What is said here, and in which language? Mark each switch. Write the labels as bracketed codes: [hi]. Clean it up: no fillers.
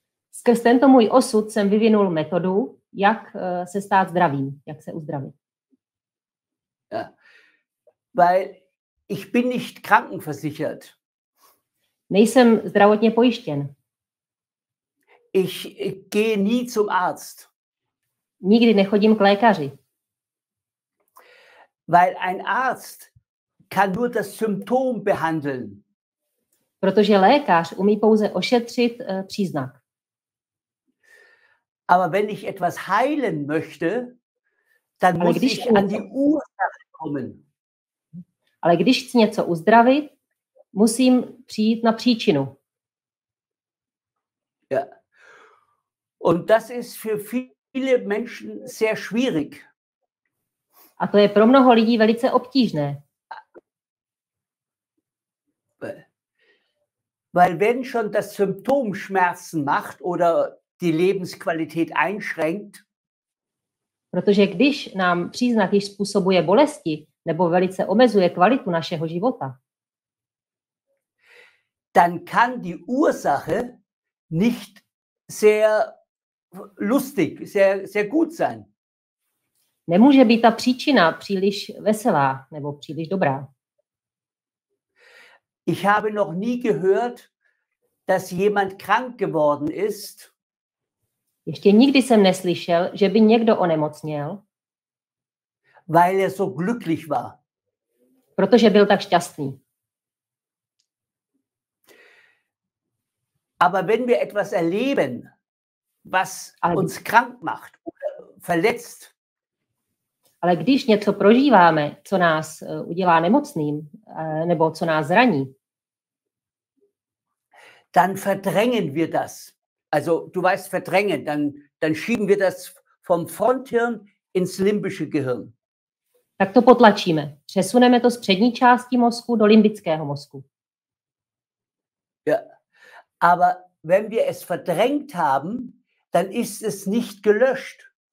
[cs] Skrz tento můj osud jsem vyvinul metodu, jak se stát zdravým, jak se uzdravit. [de] Ja. Weil ich bin nicht krankenversichert. [cs] Nejsem zdravotně pojištěn. [de] Ich gehe nie zum Arzt. [cs] Nikdy nechodím k lékaři. [de] Weil ein Arzt kann nur das Symptom behandeln. [cs] Protože lékař umí pouze ošetřit příznak. [de] Aber wenn ich etwas heilen möchte, dann ale muss ich an die Ursache kommen. [cs] Ale když chci něco uzdravit, musím přijít na příčinu. [de] Ja. Und das ist für viele Menschen sehr schwierig. [cs] A to je pro mnoho lidí velice obtížné. [de] Weil wenn schon das Symptom Schmerzen macht oder die Lebensqualität einschränkt. [cs] Protože když nám příznak již způsobuje bolesti nebo velice omezuje kvalitu našeho života, [de] dann kann die Ursache nicht sehr lustig, sehr, sehr gut sein. [cs] Nemůže být ta příčina příliš veselá nebo příliš dobrá. [de] Ich habe noch nie gehört, dass jemand krank geworden ist. [cs] Ještě nikdy jsem neslyšel, že by někdo onemocněl. [de] Weil er so glücklich war. [cs] Protože byl tak šťastný. [de] Aber wenn wir etwas erleben, was uns krank macht oder verletzt. [cs] Ale když něco prožíváme, co nás udělá nemocným, nebo co nás zraní. [de] Dann verdrängen wir das. Also, du weißt, verdrängen, dann schieben wir das vom Fronthirn ins limbische Gehirn. [cs] Tak to potlačíme. Přesuneme to z přední části mozku do limbického mozku. [de] Ja. Aber wenn wir es verdrängt haben, dann ist es nicht gelöscht.